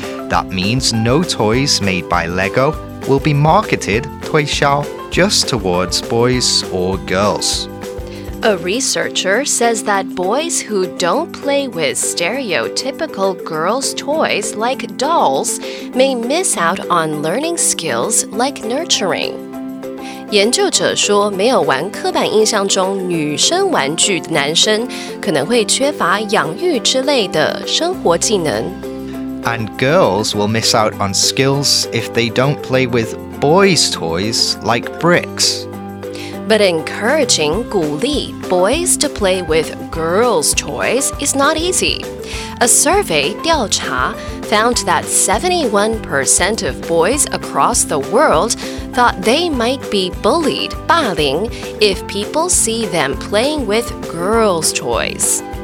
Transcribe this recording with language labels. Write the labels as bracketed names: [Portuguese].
[English] That means no toys made by Lego will be marketed, 推销,just towards boys or girls. A researcher says that boys who don't play with stereotypical girls' toys like dolls may miss out on learning skills like nurturing. [Chinese] 研究者说没有玩刻板印象中女生玩具的男生可能会缺乏养育之类的生活技能。 [English] And girls will miss out on skills if they don't play with boys' toys like bricks. But encouraging, 鼓励, boys to play with girls' toys is not easy. A survey, 调查, found that 71% of boys across the world thought they might be bullied, 霸凌, if people see them playing with girls' toys.